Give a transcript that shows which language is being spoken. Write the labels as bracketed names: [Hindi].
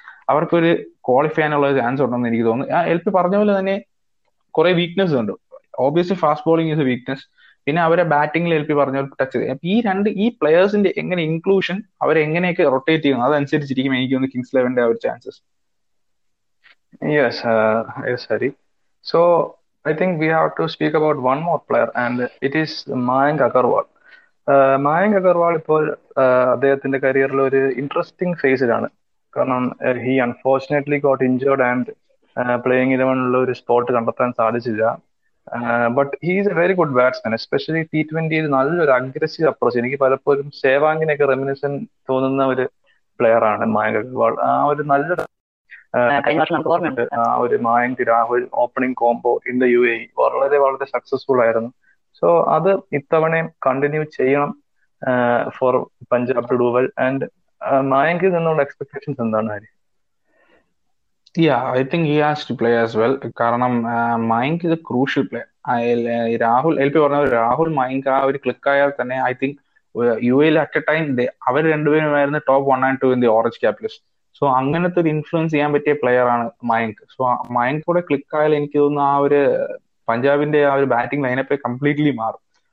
[Malayalam] അവർക്ക് ഒരു ക്വാളിഫൈ ചെയ്യാനുള്ള ഒരു ചാൻസ് ഉണ്ടെന്ന് എനിക്ക് തോന്നുന്നു. ആ എൽ പി പറഞ്ഞ പോലെ തന്നെ കുറെ വീക്ക്നെസ് ഉണ്ട്. [English] Obviously fast bowling is a weakness. [Malayalam] പിന്നെ അവരെ ബാറ്റിംഗിൽ എൽ പി പറഞ്ഞ പോലെ ടച്ച്. ഈ രണ്ട് ഈ പ്ലെയേഴ്സിന്റെ എങ്ങനെ ഇൻക്ലൂഷൻ അവരെ എങ്ങനെയൊക്കെ റൊട്ടേറ്റ് ചെയ്യുന്നു അതനുസരിച്ചിരിക്കും എനിക്ക് തോന്നുന്നു കിങ്സ് ഇലവന്റെ ആ ഒരു chances. [English] Yes, sorry. So I think we have to speak about one more player, and it is Mayank Agarwal. [Malayalam] Mayank Agarwal ഇപ്പോൾ അദ്ദേഹത്തിന്റെ കരിയറിൽ ഒരു ഇൻട്രസ്റ്റിംഗ് ഫേസിലാണ്. കാരണം [English] he unfortunately got injured [Malayalam] and playing ഇലവനുള്ള ഒരു സ്പോട്ട് കണ്ടെത്താൻ സാധിച്ചില്ല. [English] but he is a very good batsman, especially T20 [Malayalam] ഇത് നല്ലൊരു [English] Aggressive approach. [Malayalam] എനിക്ക് പലപ്പോഴും സേവാങ്ങിനൊക്കെ റെമിനിസൻ തോന്നുന്ന ഒരു പ്ലെയർ ആണ് മായങ്ക് അഗർവാൾ. ആ ഒരു നല്ലൊരു കഴിഞ്ഞ വർഷം നമുക്ക് ഓർമ്മയുണ്ട് ആ ഒരു Mayank Rahul opening combo in the UAE വളരെ വളരെ സക്സസ്ഫുൾ ആയിരുന്നു. സോ അത് ഇത്തവണയും കണ്ടിന്യൂ ചെയ്യണം ഫോർ പഞ്ചാബ് ഡൂവൽ. ആൻഡ് മായങ്കിൽ നിന്നുള്ള എക്സ്പെക്ടേഷൻസ് എന്താണ് Hari? [English] Yeah, I think he has to play as well. [Malayalam] കാരണം മയങ്ക് ഇത് crucial player. Rahul L P പറഞ്ഞ രാഹുൽ മയങ്ക് ആ ഒരു ക്ലിക്ക് ആയാൽ തന്നെ [English] I think UAE at a time [Malayalam] our രണ്ടുപേരുമായിരുന്നു [English] Top one and two in the orange capitals. [Malayalam] So അങ്ങനത്തെ ഒരു ഇൻഫ്ലുവൻസ് ചെയ്യാൻ പറ്റിയ പ്ലെയർ ആണ് മയങ്ക്. സോ മയങ്ക് കൂടെ ക്ലിക്ക് ആയാൽ എനിക്ക് തോന്നുന്നു ആ ഒരു പഞ്ചാബിന്റെ ആ ഒരു ബാറ്റിംഗ് ലൈനപ്പേ കംപ്ലീറ്റ്ലി മാറും.